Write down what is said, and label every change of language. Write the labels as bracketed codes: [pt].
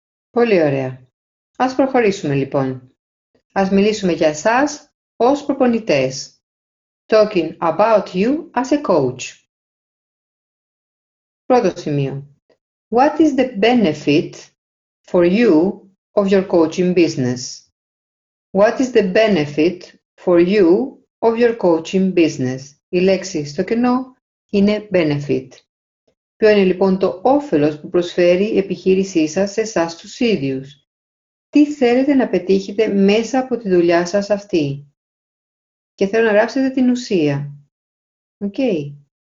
[el] Πολύ ωραία. Ας προχωρήσουμε λοιπόν. Ας μιλήσουμε για εσάς ως προπονητές. [en] Talking about you as a coach. [el] Πρώτο σημείο. [en] What is the benefit for you of your coaching business? What is the benefit for you of your coaching business? [el] Η λέξη στο κενό είναι benefit. Ποιο είναι λοιπόν το όφελος που προσφέρει η επιχείρησή σας σε εσάς τους ίδιους? Τι θέλετε να πετύχετε μέσα από τη δουλειά σας αυτή? Και θέλω να γράψετε την ουσία. Okay.